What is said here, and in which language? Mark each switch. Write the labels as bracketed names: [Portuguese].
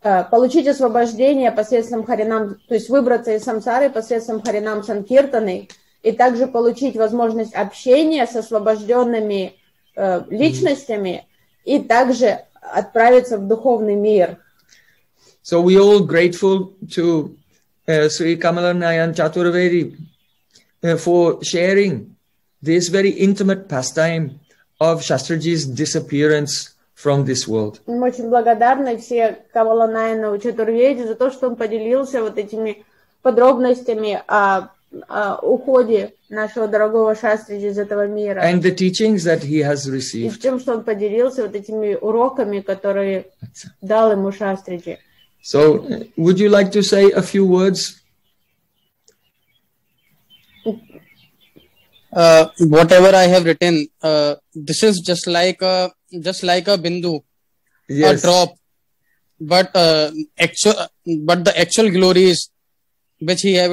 [Russian] получить освобождение посредством харинам, то есть выбраться из самсары посредством харинам санкиртаны, и также получить возможность общения с освобожденными личностями, и также отправиться в духовный мир. [English] So we all grateful to Sri Kamalanayan Chaturvedi for sharing this very intimate pastime of Shastriji's disappearance from this world. [Russian] Мы очень благодарны все Кавалонайну Чатурведи за то, что он поделился вот этими подробностями о уходе нашего дорогого Шастриджи из этого мира. [English] And the teachings that he has received. [Russian] И тем, что он поделился вот этими уроками, которые дал ему Шастриджи. [English] So, would you like to say a few words? Whatever I have written, this is just like a bindu, yes, a drop, but the actual glory is which he have.